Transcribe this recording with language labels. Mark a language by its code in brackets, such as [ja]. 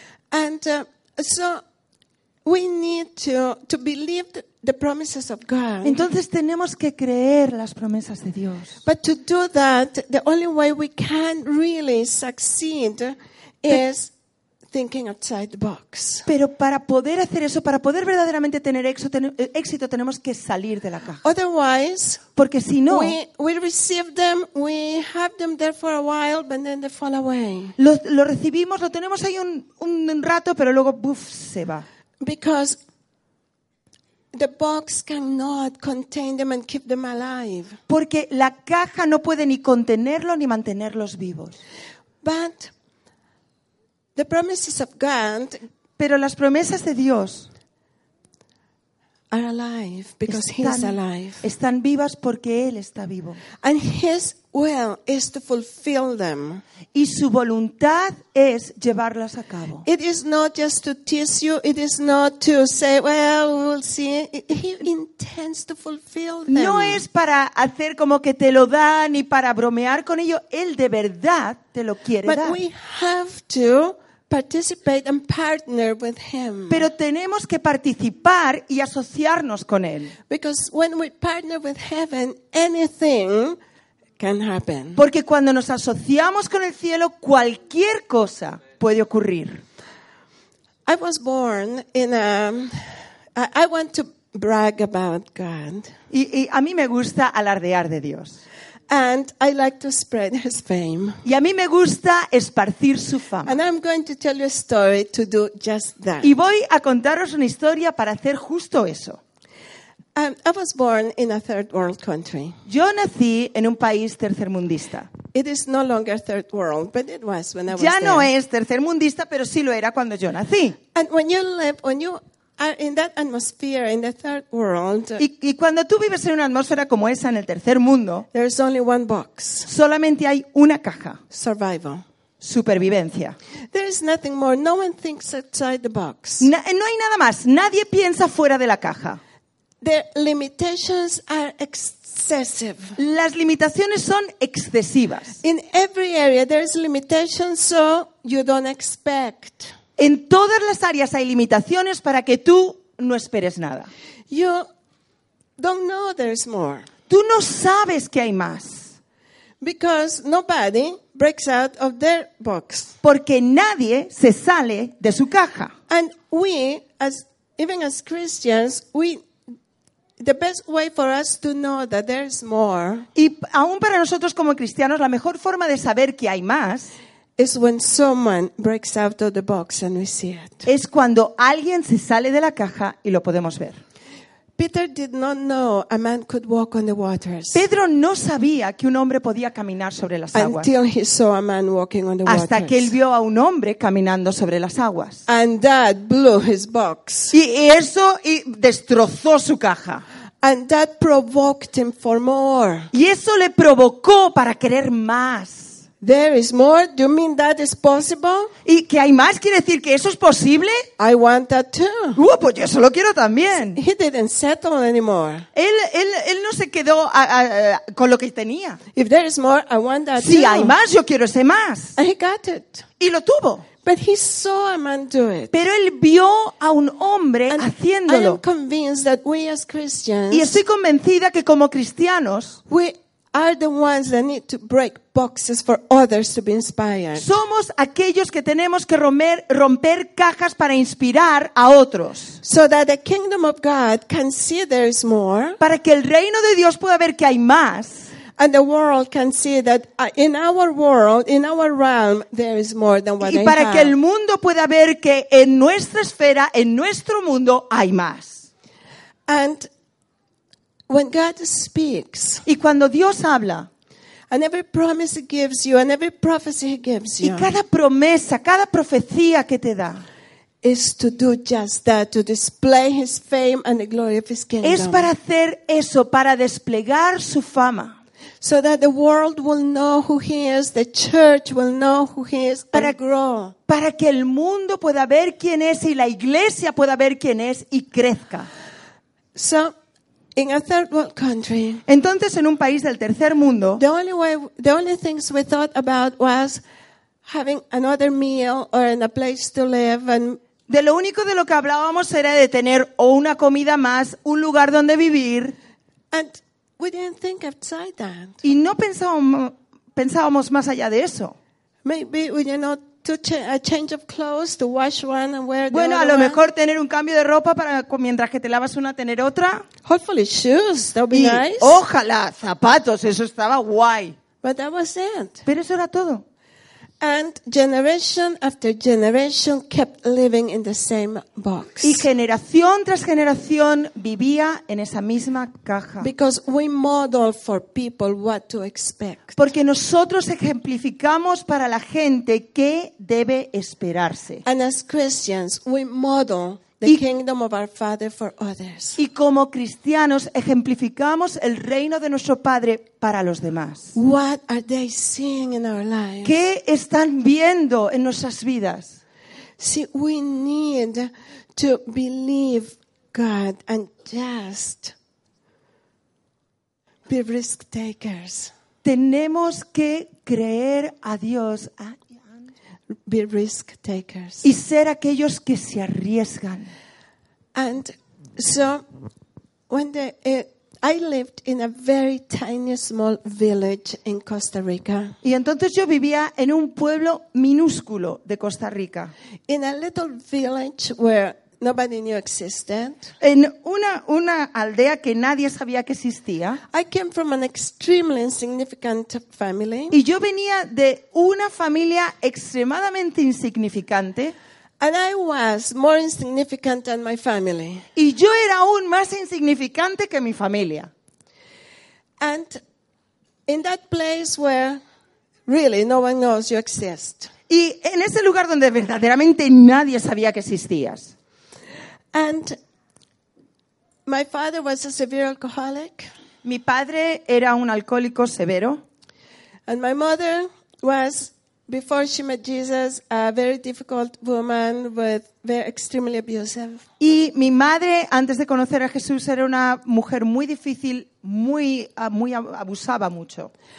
[en] And so we need to believe the promises of God. [es] Entonces tenemos que creer las promesas de Dios. [en] But to do that, the only way we can really succeed is thinking outside the box. [es] Pero para poder hacer eso, para poder verdaderamente tener éxito, tenemos que salir de la caja. [en] Otherwise, [es] porque si no, [en] we receive them, we have them there for a while, but then they fall away. [es] Lo recibimos, lo tenemos ahí un rato, pero luego se va. [en] Because the box cannot contain them and keep them alive. [es] Porque la caja no puede ni contenerlo ni mantenerlos vivos. [en] But the promises of God, [es] pero las promesas de Dios [en] are alive because he is alive. [es] Están vivas porque él está vivo. [en] And his will is to fulfill them. [es] Y su voluntad es llevarlas a cabo. [en] It is not just to tease you. It is not to say, well, we'll see. He intends to fulfill them. [es] No es para hacer como que te lo da ni para bromear con ello. Él de verdad te lo quiere [en] But [es] dar. [en] But we have to participate and partner with him. [es] Pero tenemos que participar y asociarnos con él. [en] Because when we partner with heaven, anything can happen. [es] Porque cuando nos asociamos con el cielo, cualquier cosa puede ocurrir. [en] I was born in a I want to brag about God. [es] Y a mí me gusta alardear de Dios. [en] And I like to spread his fame. [es] Y a mí me gusta esparcir su fama. [en] And I'm going to tell you a story to do just that. [es] Y voy a contaros una historia para hacer justo eso. [en] I was born in a third world country. [es] Yo nací en un país tercermundista. [en] It is no longer third world, but it was when I was there. [es] Ya no es tercermundista, pero sí lo era cuando yo nací. [en] And when you live, when you are in that atmosphere in the third world. [es] Y cuando tú vives en una atmósfera como esa en el tercer mundo, [en] there's only one box. [es] Solamente hay una caja. [en] Survival. [es] Supervivencia. [en] There is nothing more. No one thinks outside the box. [es] No hay nada más. Nadie piensa fuera de la caja. [en] The limitations are excessive. [es] Las limitaciones son excesivas. [en] In every area there is limitation, so you don't expect. [es] En todas las áreas hay limitaciones para que tú no esperes nada. [en] You don't know there's more. [es] Tú no sabes que hay más. [en] Because nobody breaks out of their box. [es] Porque nadie se sale de su caja. [en] And we, even as Christians, the best way for us to know that there's more. [es] Y aún para nosotros como cristianos, la mejor forma de saber que hay más [en] is when someone breaks out of the box and we see it. [es] Es cuando alguien se sale de la caja y lo podemos ver. [en] Peter did not know a man could walk on the waters. [es] Pedro no sabía que un hombre podía caminar sobre las aguas. [en] Until he saw a man walking on the waters. [es] Hasta que él vio a un hombre caminando sobre las aguas. [en] And that blew his box. [es] Y eso y destrozó su caja. [en] And that provoked him for more. [es] Y eso le provocó para querer más. [en] There is more. Do you mean that is possible? [es] ¿Y que hay más quiere decir que eso es posible? [en] I want that too. [es] Pues yo eso lo quiero también. [en] He didn't settle anymore. [es] Él no se quedó con lo que tenía. [en] If there is more, I want that too. [es] Si hay más, yo quiero ese más. [en] And he got it. [es] Y lo tuvo. [en] But he saw a man do it. [es] Pero él vio a un hombre [en] and [es] haciéndolo. [en] I am convinced that we as Christians, [es] y estoy convencida que como cristianos, [en] we are the ones that need to break boxes for others to be inspired. [es] Somos aquellos que tenemos que romper cajas para inspirar a otros. [en] So that the kingdom of God can see there is more. [es] Para que el reino de Dios pueda ver que hay más. [en] And the world can see that in our world, in our realm, there is more than what they have. [es] Y para que el mundo pueda ver que en nuestra esfera, en nuestro mundo, hay más. [en] And when God speaks, [es] y cuando Dios habla, [en] and every promise he gives you, and every prophecy he gives you, [es] y cada promesa, cada profecía que te da, [en] is to do just that, to display his fame and the glory of his kingdom. [es] Es para hacer eso, para desplegar su fama. [en] So that the world will know who he is, the church will know who he is, and grow. [es] Para que el mundo pueda ver quién es y la iglesia pueda ver quién es y crezca. [en] So, in a third world country. [es] Entonces, en un país del tercer mundo, [en] the only things we thought about was having another meal or in a place to live. And [es] de lo único de lo que hablábamos era de tener o una comida más, un lugar donde vivir. [en] And we didn't think outside that. [es] Y no pensábamos más allá de eso. [en] Maybe we did not to a change of clothes to wash one and wear the [es] bueno, [en] other [es] a lo mejor [en] one. [es] Tener un cambio de ropa para mientras que te lavas una tener otra. [en] Hopefully shoes, that would be [es] y [en] nice. [es] Ojalá zapatos, eso estaba guay. [en] But that was it. [es] Pero eso era todo. [en] And generation after generation kept living in the same box. [es] Y generación tras generación vivía en esa misma caja. [en] Because we model for people what to expect. [es] Porque nosotros ejemplificamos para la gente qué debe esperarse. [en] And as Christians, we model The kingdom of our Father for others. [es] Y como cristianos ejemplificamos el reino de nuestro Padre para los demás. [en] What are they seeing in our lives? [es] ¿Qué están viendo en nuestras vidas? [en] See, we need to believe God and just be risk takers. [es] Tenemos que creer a Dios. [en] Be risk takers. [es] Y ser aquellos que se arriesgan. [en] And so when I lived in a very tiny small village in Costa Rica. [es] Y entonces yo vivía en un pueblo minúsculo de Costa Rica. [en] In a little village where nobody knew existed. [es] En una aldea que nadie sabía que existía. [en] I came from an extremely insignificant family. [es] Y yo venía de una familia extremadamente insignificante. [en] And I was more insignificant than my family. [es] Y yo era aún más insignificante que mi familia. [en] And in that place where really no one knows you exist. [es] Y en ese lugar donde verdaderamente nadie sabía que existías. [en] And my father was a severe alcoholic. [es] Mi padre era un alcohólico severo. [en] And my mother was, before she met Jesus, a very difficult woman with very extremely abusive. [es] Y mi madre, antes de conocer a Jesús, era una mujer muy difícil, muy abusaba mucho.